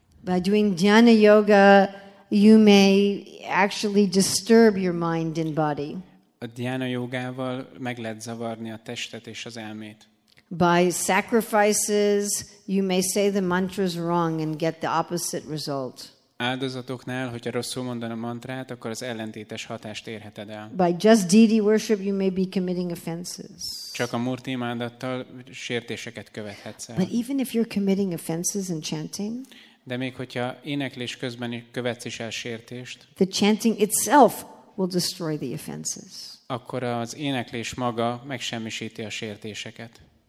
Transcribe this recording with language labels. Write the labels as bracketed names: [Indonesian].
[English] By doing jnana yoga, you may actually disturb your mind and body. [Hungarian] A jnana yogával meg lehet zavarni a testet és az elmét. [English] By sacrifices, you may say the mantras wrong and get the opposite result. [Hungarian] áldozatoknál, hogyha rosszul mondan a mantrát, akkor az ellentétes hatást érheted el. [English] By just deity worship you may be committing offenses. [Hungarian] Csak a murti imádattal sértéseket követhetsz el. [English] But even if you're committing offenses in chanting, [Hungarian] de még hogyha éneklés közben követsz is el sértést, [English] the chanting itself will destroy the offenses. [Hungarian] Akkor az éneklés maga megsemmisíti a sértéseket.